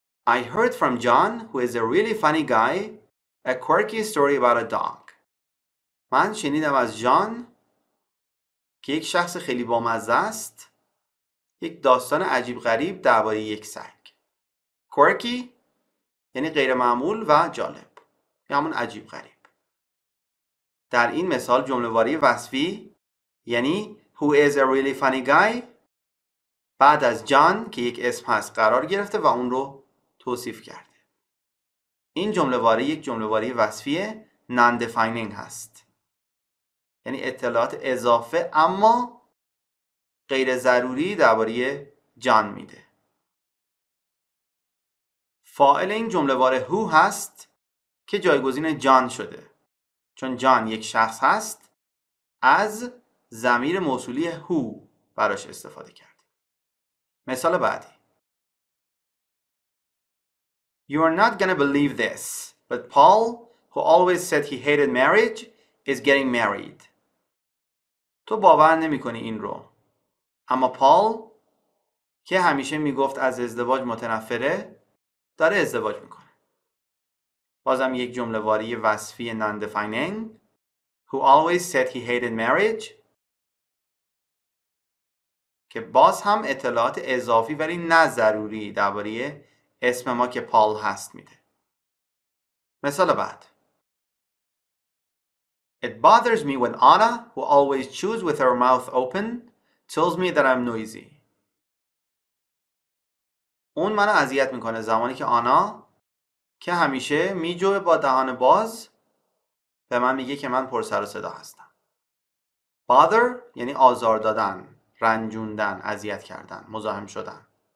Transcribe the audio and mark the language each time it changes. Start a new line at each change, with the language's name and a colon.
English: I heard from John, who is a really funny guy, a quirky story about a dog.
Persian: من شنیدم از جان که یک شخص خیلی بامزه است، یک داستان عجیب غریب درباره یک سگ. Quirky یعنی غیر معمول و جالب، یا همون عجیب غریب. در این مثال جمله‌واره وصفی یعنی
English: who is a really funny guy
Persian: بعد از جان که یک اسم هست قرار گرفته و اون رو توصیف کرده. این جمله‌واره یک جمله‌واره وصفی non-defining هست، یعنی اطلاعات اضافه اما غیر ضروری درباره جان میده. فاعل این جمله‌واره who هست که جایگزین جان شده، چون جان یک شخص هست از ضمیر موصولی هو براش استفاده کرد. مثال بعدی.
English: You are not gonna believe this, but Paul, who always said he hated marriage, is getting married.
Persian: تو باور نمی کنی این رو، اما پال که همیشه می گفت از ازدواج متنفره داره ازدواج میکنه. بازم یک جمله واری وصفی non-defining.
English: Who always said he hated marriage.
Persian: که باز هم اطلاعات اضافی ولی نه ضروری درباره اسم ما که پال هست میده. مثال بعد.
English: It bothers me when Anna, who always chews with her mouth open, tells me that I'm noisy.
Persian: اون منو اذیت میکنه زمانی که آنا که همیشه میجوه با دهان باز به من میگه که من پر سر و صدا هستم. Bother یعنی آزار دادن، رنجوندن، اذیت کردن، مزاحم شدن.